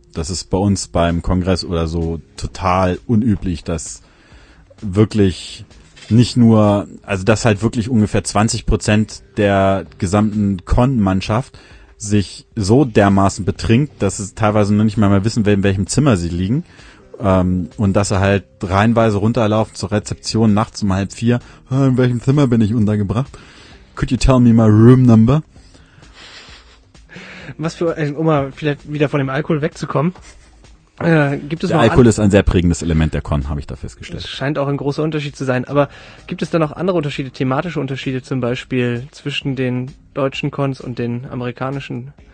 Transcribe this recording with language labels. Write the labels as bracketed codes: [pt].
[de] Das ist bei uns beim Kongress oder so total unüblich, dass wirklich nicht nur, also dass halt wirklich ungefähr 20% der gesamten Con-Mannschaft sich so dermaßen betrinkt, dass sie teilweise noch nicht mehr wissen, in welchem Zimmer sie liegen. Und dass sie halt reihenweise runterlaufen zur Rezeption nachts um 3:30. In welchem Zimmer bin ich untergebracht? [en] Could you tell me my room number? [de] Was für, um mal vielleicht wieder von dem Alkohol wegzukommen. Gibt es der Alkohol ist ein sehr prägendes Element der Con, habe ich da festgestellt. Das scheint auch ein großer Unterschied zu sein. Aber gibt es da noch andere Unterschiede, thematische Unterschiede zum Beispiel zwischen den deutschen Cons und den amerikanischen?